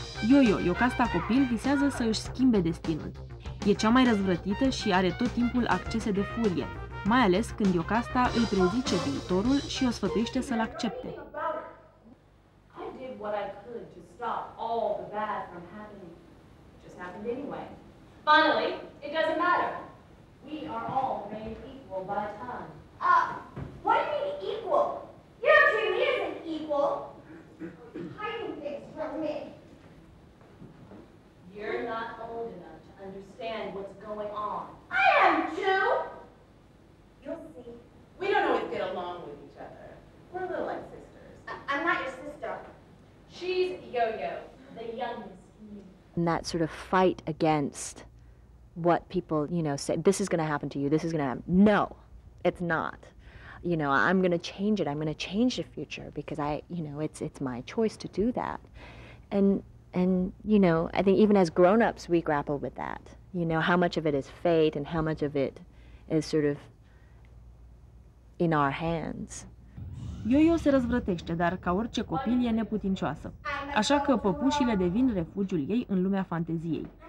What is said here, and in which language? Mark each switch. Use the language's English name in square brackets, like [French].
[Romanian] Yo-Yo, iocasta copil, visează să își schimbe destinul. E cea mai răzvrătită și are tot timpul accese de furie, mai ales când iocasta îi prezice viitorul și o sfătuiește să-l accepte. [English] I did what I could to stop all the bad from happening. Just happened anyway. Finally, it doesn't matter. We are all made equal by time. What do you mean equal? You don't see me as an equal. Hiding things from me. You're not old enough to understand what's going on. I am too. You'll see. We don't always get along with each other. We're a little like sisters. I'm not your sister. She's Yo-Yo, the youngest. And that sort of fight against what people, you know, say, this is going to happen to you, this is going to happen. No, it's not. You know, I'm going to change it. I'm going to change the future because I, you know, it's my choice to do that. And you know, I think even as grown-ups, we grapple with that. You know, how much of it is fate and how much of it is sort of in our hands. [Romanian] Yo-Yo se răzvrătește, dar ca orice copil e neputincioasă. Așa că păpușile devin refugiul ei în lumea fanteziei.